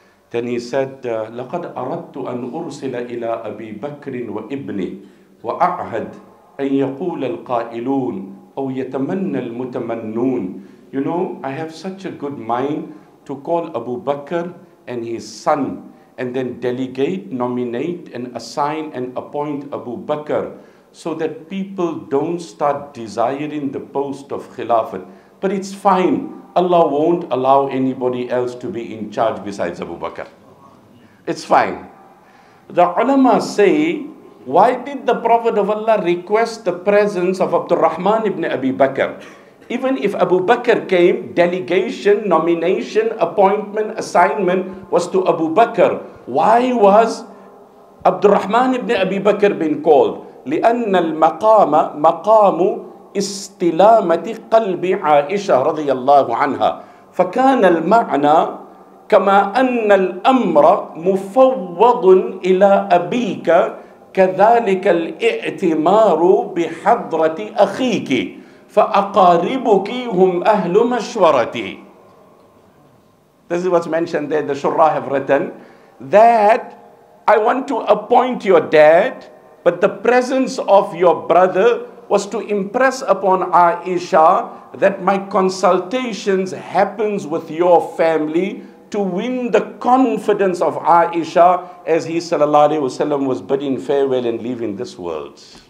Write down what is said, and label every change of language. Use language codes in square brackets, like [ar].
[en] Then he said, [ar] لَقَدْ أَرَدْتُ أَنْ أُرْسِلَ إِلَىٰ أَبِي بَكْرٍ وَإِبْنِي وَأَعْهَدْ أَنْ يَقُولَ الْقَائِلُونَ أَوْ يَتَمَنَّ الْمُتَمَنُّونَ. [en] You know, I have such a good mind to call Abu Bakr and his son and then delegate, nominate and assign and appoint Abu Bakr so that people don't start desiring the post of Khilafat. But it's fine. Allah won't allow anybody else to be in charge besides Abu Bakr. It's fine. The ulama say, why did the Prophet of Allah request the presence of Abdul Rahman ibn Abi Bakr? Even if Abu Bakr came, delegation, nomination, appointment, assignment was to Abu Bakr. Why was Abdul Rahman ibn Abi Bakr been called? [ar] لِأَنَّ الْمَقَامَ مَقَامُ استلامة قلب عائشة رضي الله عنها فكان المعنى كما أن الأمر مفوض إلى أبيك كذلك الاعتمار بحضرة أخيك فأقاربك هم أهل مشورتي. [en] This is what's mentioned there. The Shurah have written that I want to appoint your dad, but the presence of your brother was to impress upon Aisha that my consultations happens with your family to win the confidence of Aisha as he sallallahu alayhi wa sallam was bidding farewell and leaving this world.